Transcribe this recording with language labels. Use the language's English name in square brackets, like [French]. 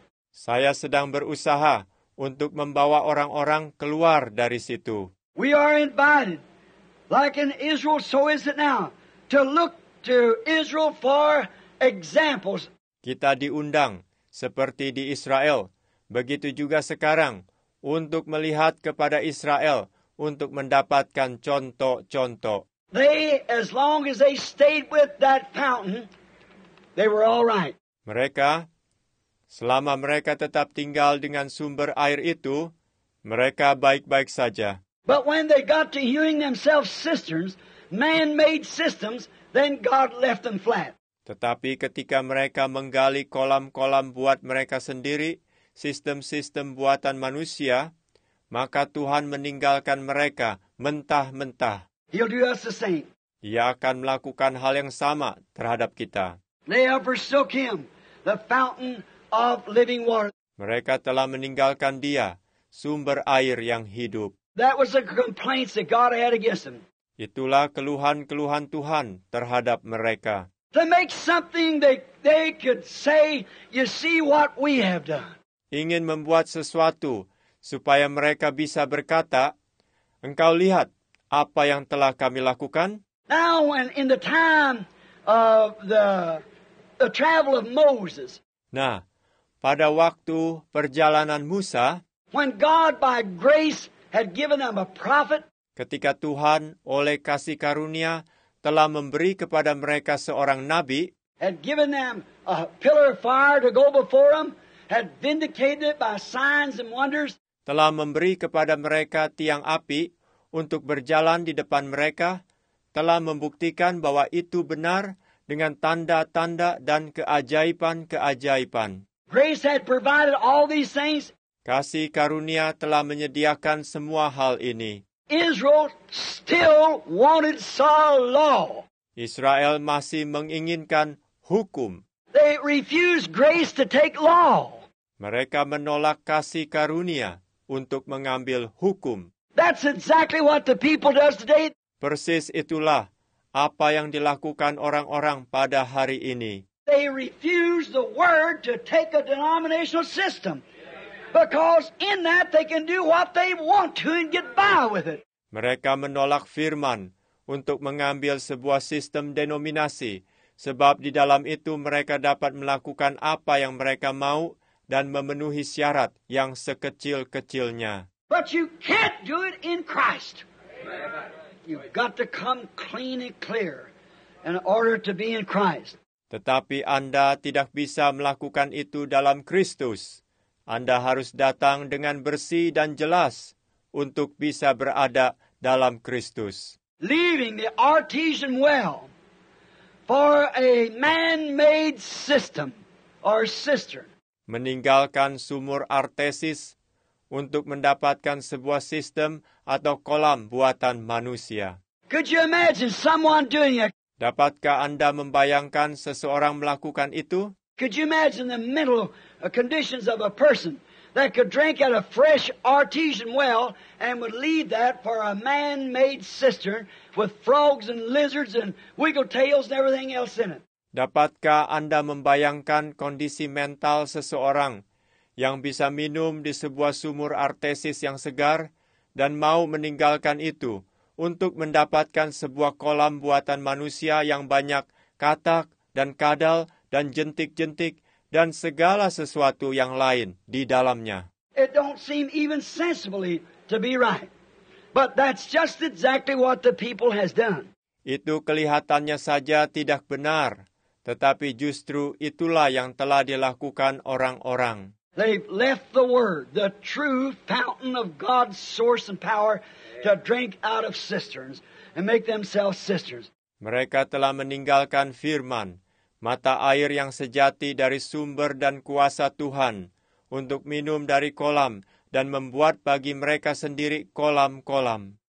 [Indonesian] Saya sedang berusaha untuk membawa orang-orang keluar dari situ. [English] We are invited, like in Israel, so is it now, to look to Israel for examples. [Indonesian] Kita diundang, seperti di Israel, begitu juga sekarang, untuk melihat kepada Israel, untuk mendapatkan contoh-contoh. [English] They, as long as they stayed with that fountain, they were all right. [Indonesian] Mereka, selama mereka tetap tinggal dengan sumber air itu, mereka baik-baik saja. [English] But when they got to hewing themselves cisterns, man-made systems, then God left them flat. [Indonesian] Tetapi ketika mereka menggali kolam-kolam buat mereka sendiri, sistem-sistem buatan manusia, maka Tuhan meninggalkan mereka mentah-mentah. [English] He'll do us the same. [Indonesian] Ia akan melakukan hal yang sama terhadap kita. [English] They have forsook him. the fountain of living water. [Indonesian] Mereka telah meninggalkan dia, sumber air yang hidup. [English] That was the complaints that God had against them. [Indonesian] Itulah keluhan-keluhan Tuhan terhadap mereka. [English] To make something they could say, you see what we have done. [Indonesian] Ingin membuat sesuatu supaya mereka bisa berkata, engkau lihat apa yang telah kami lakukan. [English] Now in the time of the travel of Moses. [Indonesian] Nah, pada waktu perjalanan Musa, [English] when God by grace had given them a prophet, [Indonesian] ketika Tuhan oleh kasih karunia telah memberi kepada mereka seorang nabi, [English] had given them a pillar of fire to go before them, had vindicated it by signs and wonders, [Indonesian] telah memberi kepada mereka tiang api untuk berjalan di depan mereka, telah membuktikan bahwa itu benar dengan tanda-tanda dan keajaiban-keajaiban. [English] Grace had provided all these things. [Indonesian] Kasih karunia telah menyediakan semua hal ini. [English] Israel still wanted Saul's law. [Indonesian] Israel masih menginginkan hukum. [English] They refused grace to take law. [Indonesian] Mereka menolak kasih karunia untuk mengambil hukum. [English] That's exactly what the people does today. [Indonesian] Persis itulah apa yang dilakukan orang-orang pada hari ini. [English] They refuse the word to take a denominational system. Because in that they can do what they want to and get by with it. [Indonesian] Mereka menolak firman untuk mengambil sebuah sistem denominasi. Sebab di dalam itu mereka dapat melakukan apa yang mereka mau dan memenuhi syarat yang sekecil-kecilnya. [English] But you can't do it in Christ. You've got to come clean and clear in order to be in Christ. [Indonesian] Tetapi Anda tidak bisa melakukan itu dalam Kristus. Anda harus datang dengan bersih dan jelas untuk bisa berada dalam Kristus. [English] Leaving the artesian well for a man-made system or cistern. [Indonesian] Meninggalkan sumur artesis untuk mendapatkan sebuah sistem atau kolam buatan manusia. [English] Could you imagine someone doing it? [Indonesian] Dapatkah Anda membayangkan seseorang melakukan itu? [English] Could you imagine the mental conditions of a person that could drink at a fresh artesian well and would leave that for a man-made cistern with frogs and lizards and wiggle tails and everything else in it? [Indonesian] Dapatkah Anda membayangkan kondisi mental seseorang yang bisa minum di sebuah sumur artesis yang segar dan mau meninggalkan itu untuk mendapatkan sebuah kolam buatan manusia yang banyak katak dan kadal dan jentik-jentik dan segala sesuatu yang lain di dalamnya? [English] It don't seem even sensibly to be right. But that's just exactly what the people has done. [Indonesian] Itu kelihatannya saja tidak benar, tetapi justru itulah yang telah dilakukan orang-orang. [English] They've left the word, the true fountain of God's source and power, to drink out of cisterns and make themselves cisterns. [Indonesian] Mereka telah meninggalkan firman, mata air yang sejati dari sumber dan kuasa Tuhan, untuk minum dari kolam dan membuat bagi mereka sendiri kolam-kolam.